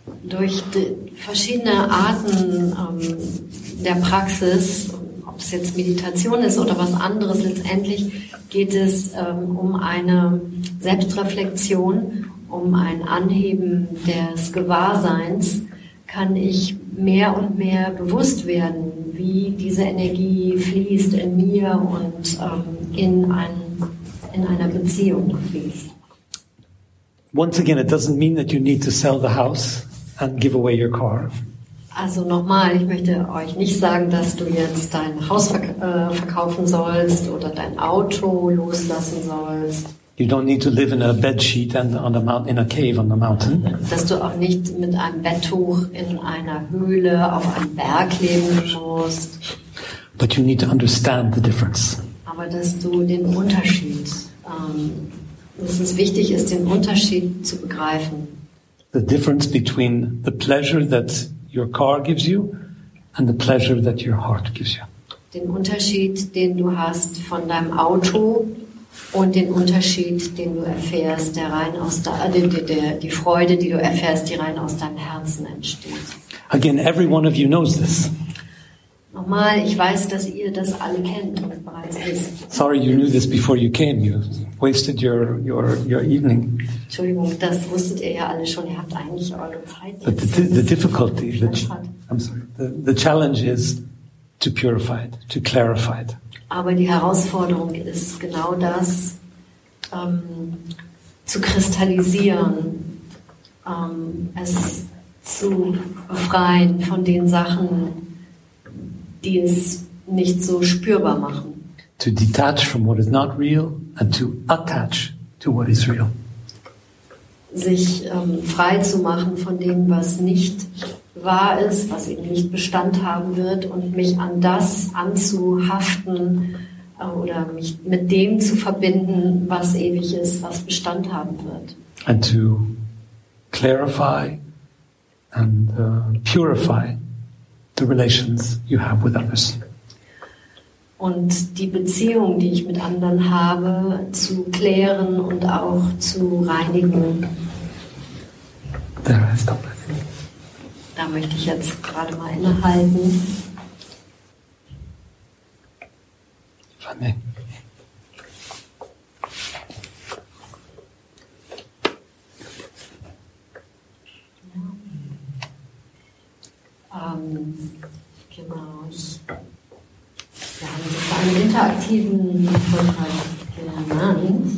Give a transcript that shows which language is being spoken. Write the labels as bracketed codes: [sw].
[de] Durch die verschiedene Arten der Praxis, ob es jetzt Meditation ist oder was anderes, letztendlich geht es um eine Selbstreflexion, um ein Anheben des Gewahrseins, kann ich mehr und mehr bewusst werden, wie diese Energie fließt in mir und in einer Beziehung fließt. [en] Once again, it doesn't mean that you need to sell the house and give away your car. [de] Also nochmal, ich möchte euch nicht sagen, dass du jetzt dein Haus verkaufen sollst oder dein Auto loslassen sollst. [en] You don't need to live in a bedsheet and in a cave on the mountain. [de] Dass du auch nicht mit einem Betttuch in einer Höhle auf einem Berg leben musst. [en] But you need to understand the difference. [de] Aber dass du den Unterschied, dass es wichtig ist, den Unterschied zu begreifen. [en] The difference between the pleasure that your car gives you and the pleasure that your heart gives you. [de] Den Unterschied, den du hast von deinem Auto und den Unterschied, den du erfährst, der rein aus die Freude, die du erfährst, die rein aus deinem Herzen entsteht. [en] Again, every one of you knows this. [de] Nochmal, ich weiß, dass ihr das alle kennt und bereits wisst. [en] Sorry, you knew this before you came. You wasted your evening. [de] Entschuldigung, das wusstet ihr ja alle schon. Ihr habt eigentlich eure Zeit. [en] But the challenge is to purify it, to clarify it. [de] Aber die Herausforderung ist genau das, zu kristallisieren, es zu befreien von den Sachen, die es nicht so spürbar machen. [en] To detach from what is not real and to attach to what is real. [de] Sich frei zu machen von dem, was nicht wahr ist, was eben nicht Bestand haben wird, und mich an das anzuhaften oder mich mit dem zu verbinden, was ewig ist, was Bestand haben wird. [en] And to clarify and purify the relations you have with others. [de] Und die Beziehung, die ich mit anderen habe, zu klären und auch zu reinigen. [en] There, I stop. [de] Da möchte ich jetzt gerade mal innehalten. Wir haben jetzt einen interaktiven Vortrag genannt.